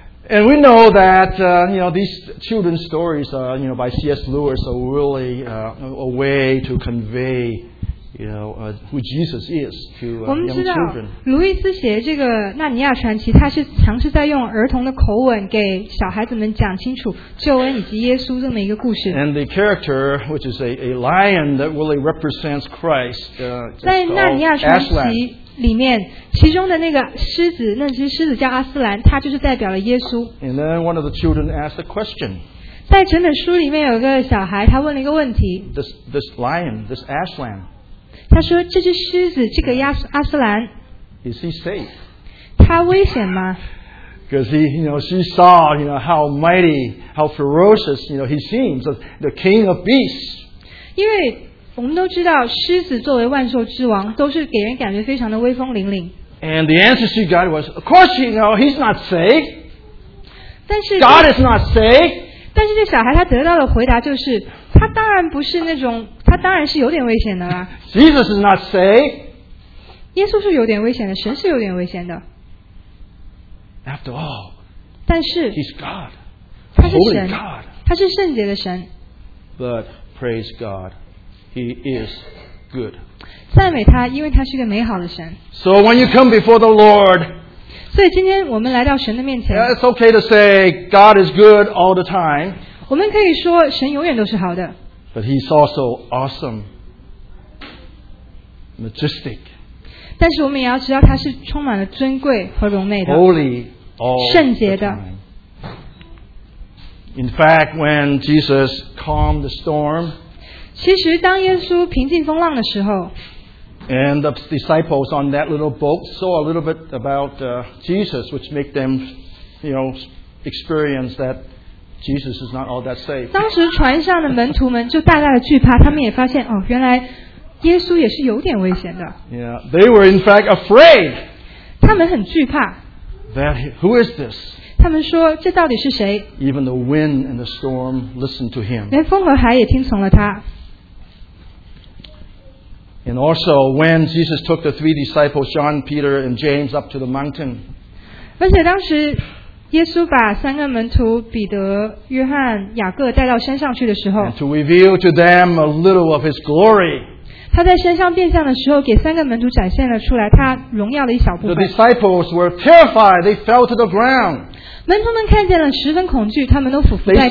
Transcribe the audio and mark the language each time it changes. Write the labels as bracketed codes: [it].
[en] And we know that these children's stories are by C.S. Lewis are really a way to convey who Jesus is to young children. [zh] 我们知道，卢易斯写这个《纳尼亚传奇》，他是尝试在用儿童的口吻给小孩子们讲清楚救恩以及耶稣这么一个故事。 [en] And the character, which is a lion that really represents Christ, [zh] 在 《 纳尼亚传奇》里面，其中的那个狮子，那只狮子叫阿斯兰，它就是代表了耶稣。 [en] And then one of the children asked a question. [zh] 在整本书里面，有一个小孩，他问了一个问题。 [en] This lion, this Aslan. [zh] 他说：“这只狮子，这个阿斯兰 [en] ，Is he safe？ [zh] 他危险吗 [en] ？Because he, she saw, how mighty, how ferocious, he seems, the king of beasts. [zh] 因为我们都知道，狮子作为万兽之王，都是给人感觉非常的威风凛凛。 [en] And the answer she got was, of course, he's not safe. [zh] 但是 [en] God is not safe. [zh] 但是这小孩他得到的回答就是，他当然不是那种，他当然是有点危险的啦。 [en] Jesus is not safe. [zh] 耶稣是有点危险的，神是有点危险的。 [en] After all, [zh] 但是 [en] He's God, [zh] 他是神， [en] Holy God. [zh] 他是圣洁的神。 [en] But praise God, He is good. [zh] 赞美他，因为他是个美好的神。 [en] So when you come before the Lord. [zh] 所以今天我们来到神的面前。 [en] It's okay to say God is good all the time. [zh] 我们可以说神永远都是好的。 [en] But He's also awesome, majestic. [zh] 但是我们也要知道他是充满了尊贵和荣美的。 [en] Holy, all [zh] 圣洁的。 [en] In fact, when Jesus calmed the storm, [zh] 其实当耶稣平静风浪的时候。 [en] And the disciples on that little boat saw a little bit about Jesus, which made them, experience that Jesus is not all that safe. [zh] 当时船上的门徒们就大大的惧怕，他们也发现哦，原来耶稣也是有点危险的。 [en] Yeah, they were in fact afraid. [zh] 他们很惧怕。 [en] That who is this? [zh] 他们说这到底是谁 [en] ？Even the wind and the storm listened to him. [zh] 连风和海也听从了他。 [en] And also, when Jesus took the three disciples, John, Peter, and James, up to the mountain, [zh] 而且当时耶稣把三个门徒彼得、约翰、雅各带到山上去的时候 [en] ，and to reveal to them a little of His glory, [zh] 他在山上变相的时候，给三个门徒展现了出来他荣耀的一小部分。 [en] The disciples were terrified; they fell to the ground. [zh] 门徒们看见了，十分恐惧，他们都俯伏在地。